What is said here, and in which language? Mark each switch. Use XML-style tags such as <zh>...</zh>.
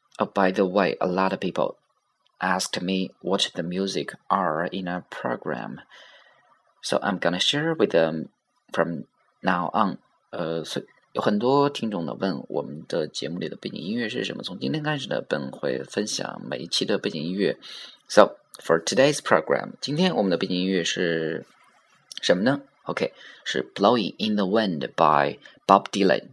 <en>Oh, by the way, a lot of people asked me what the music are in our program. So I'm gonna share with them from now on.</en> <zh>有很多听众呢问我们的节目里的背景音乐是什么，从今天开始呢本会分享每一期的背景音乐。</zh> <en>So, for today's program,</en> <zh>今天我们的背景音乐是什么呢？ OK, 是 Blowing in the Wind by Bob Dylan.</zh>